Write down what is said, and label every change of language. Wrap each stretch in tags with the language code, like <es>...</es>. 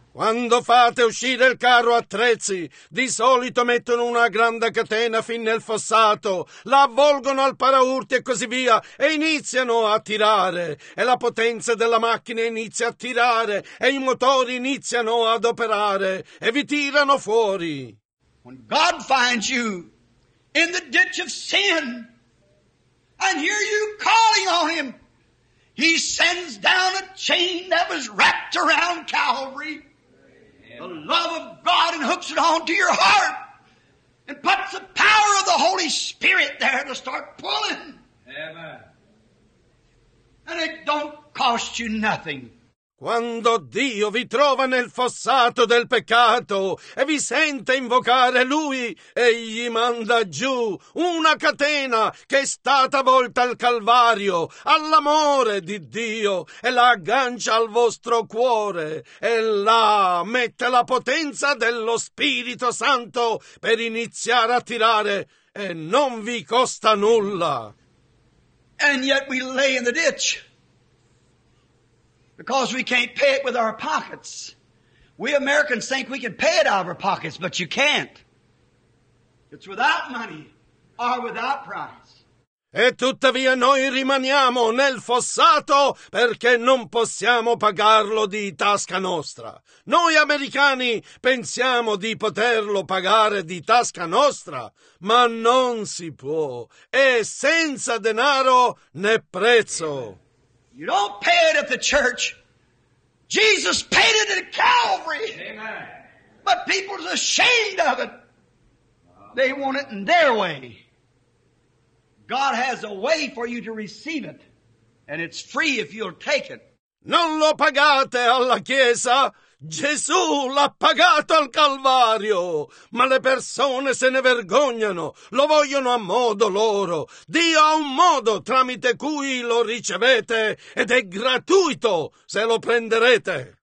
<it>Quando fate uscire il carro attrezzi, di solito mettono una grande catena fin nel fossato, la avvolgono al paraurti e così via, e iniziano a tirare, e la potenza della macchina inizia a tirare, e i motori iniziano ad operare, e vi tirano fuori.</it> <en>When God finds you in the ditch of sin, and hear you calling on him, he sends down a chain that was wrapped around Calvary, the love of God, and hooks it onto your heart, and puts the power of the Holy Spirit there to start pulling. Amen. And it don't cost you nothing.</en> <it>Quando Dio vi trova nel fossato del peccato e vi sente invocare Lui, egli manda giù una catena che è stata volta al Calvario, all'amore di Dio, e la aggancia al vostro cuore, e là mette la potenza dello Spirito Santo per iniziare a tirare, e non vi costa nulla.</it> <en>And yet we lay in the ditch. Because we can't pay it with our pockets. We Americans think we can pay it out of our pockets, but you can't. It's without money or without price.</en> <it>E tuttavia noi rimaniamo nel fossato perché non possiamo pagarlo di tasca nostra. Noi americani pensiamo di poterlo pagare di tasca nostra, ma non si può. È senza denaro né prezzo.</it> <en>You don't pay it at the church. Jesus paid it at Calvary. Amen. But people are ashamed of it. They want it in their way. God has a way for you to receive it. And it's free if you'll take it.</en> <it>Non lo pagate alla Chiesa. Gesù l'ha pagato al Calvario, ma le persone se ne vergognano, lo vogliono a modo loro. Dio ha un modo tramite cui lo ricevete ed è gratuito se lo prenderete.</it>